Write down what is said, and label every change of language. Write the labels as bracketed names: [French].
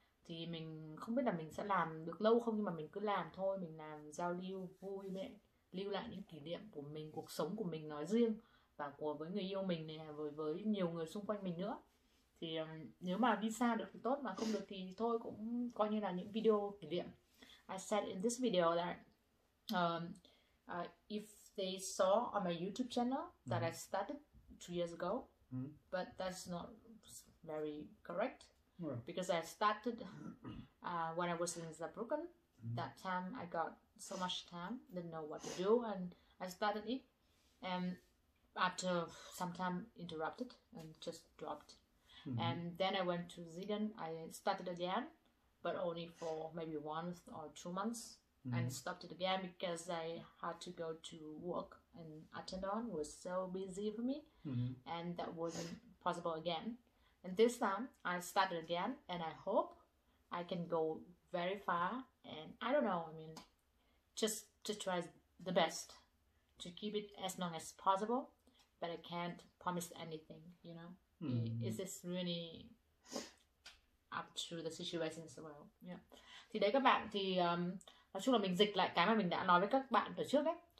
[Vietnamese] Thì mình không biết là mình sẽ làm được lâu không, nhưng mà mình cứ làm thôi. Mình làm giao lưu vui mẹ, lưu lại những kỷ niệm của mình, cuộc sống của mình nói riêng, và của với người yêu mình này, với nhiều người xung quanh mình nữa. Thì nếu mà đi xa được thì tốt, mà không được thì thôi, cũng coi như là những video kỷ niệm. [English] I said in this video that if they saw on my YouTube channel that I started 2 years ago, but that's not very correct, because I started when I was in Saarbrücken. That time I got so much time, didn't know what to do, and I started it, and after some time interrupted and just dropped, and then I went to Ziegen. I started again, but only for maybe 1 or 2 months. And stopped it again because I had to go to work, and Attendon was so busy for me, and that wasn't possible again. And this time I started again, and I hope I can go very far. And I don't know, I mean, just to try the best to keep it as long as possible, but I can't promise anything, you know. Is this really up to the situation as well? Yeah. [Vietnamese] Thì đấy các bạn, thì nói chung là mình dịch lại cái mà mình đã nói với các bạn từ trước ấy.